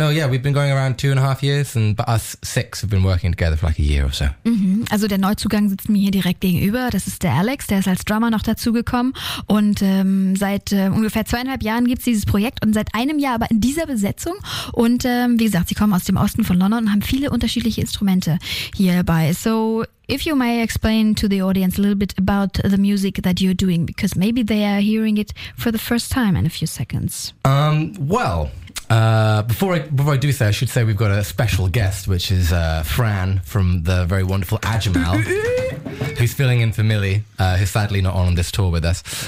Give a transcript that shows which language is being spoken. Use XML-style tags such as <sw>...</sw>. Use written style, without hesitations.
<en>We've been going around 2.5 years and us six have been working together for like a year or so. Mm-hmm.</en> <de>Also der Neuzugang sitzt mir hier direkt gegenüber. Das ist der Alex, der ist als Drummer noch dazugekommen. Und seit ungefähr 2,5 Jahren gibt es dieses Projekt und seit einem Jahr aber in dieser Besetzung. Und wie gesagt, sie kommen aus dem Osten von London und haben viele unterschiedliche Instrumente hierbei.</de> <en>So if you may explain to the audience a little bit about the music that you're doing, because maybe they are hearing it for the first time in a few seconds. Before I do say, I should say we've got a special guest, which is Fran from the very wonderful Ajumal, who's filling in for Millie, who's sadly not on this tour with us.</en>